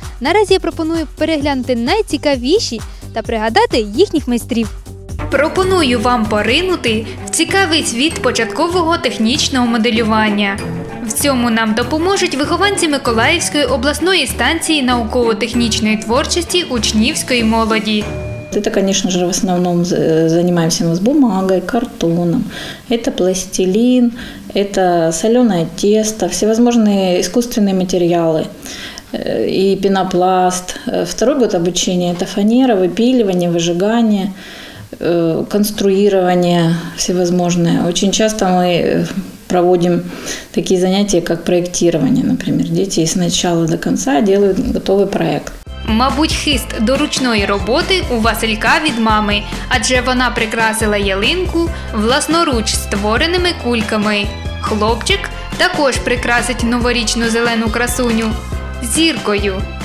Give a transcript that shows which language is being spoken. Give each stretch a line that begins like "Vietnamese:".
Ukrainian: Наразі я пропоную переглянути найцікавіші та пригадати їхніх майстрів. Пропоную вам поринути в цікавий світ початкового технічного моделювання. В цьому нам допоможуть вихованці Миколаївської обласної станції науково-технічної творчості учнівської молоді.
Russian: Это, конечно же, в основном занимаемся мы с бумагой, картоном. Это пластилин, это соленое тесто, всевозможные искусственные материалы и пенопласт. Второй год обучения – это фанера, выпиливание, выжигание, конструирование всевозможное. Очень часто мы проводим такие занятия, как проектирование, например. Дети с начала до конца делают готовый проект.
Ukrainian: Мабуть, хист до ручної роботи у Василька від мами, адже вона прикрасила ялинку власноруч створеними кульками. Хлопчик також прикрасить новорічну зелену красуню зіркою.